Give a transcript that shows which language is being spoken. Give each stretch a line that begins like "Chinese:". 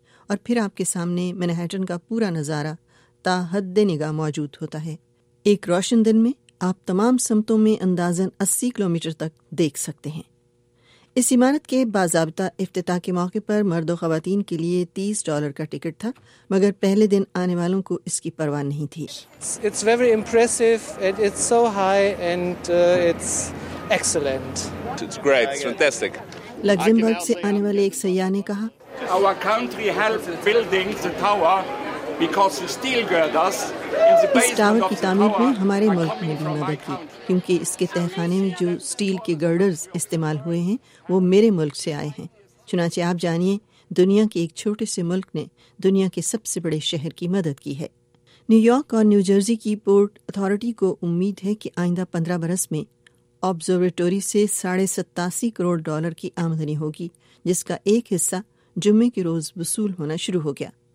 Urdu: اور پھر آپ کے سامنے مینہٹن کا پورا نظارہ تا حد نگاہ موجود ہوتا ہے. ایک روشن دن میں آپ تمام سمتوں میں اندازاً 80 کلومیٹر تک دیکھ سکتے ہیں. اس عمارت کے باضابطہ افتتاح کے موقع پر مرد و خواتین کے لیے $30 کا ٹکٹ تھا, مگر پہلے دن آنے والوں کو اس کی پرواہ نہیں تھی.
English: It's very impressive and it's so high and it's excellent. It's great, it's fantastic.
Urdu: Luxembourg سے آنے والے ایک سیاح نے کہا,
English: Our country helped building the tower because the steel girders in the base.
Urdu: اس tower کی تعمیر میں ہمارے ملک نے بھی مدد کی, کیونکہ اس کے تہخانے میں جو سٹیل کے گرڈرز استعمال ہوئے ہیں وہ میرے ملک سے آئے ہیں. چنانچہ آپ جانیے, دنیا کے ایک چھوٹے سے ملک نے دنیا کے سب سے بڑے شہر کی مدد کی ہے. نیو یارک اور نیو جرسی کی پورٹ اتھارٹی کو امید ہے کہ آئندہ 15 برس میں آبزرویٹوری سے 87.5 کروڑ ڈالر کی آمدنی ہوگی, جس کا ایک حصہ جمعے کے روز وصول ہونا شروع ہو گیا.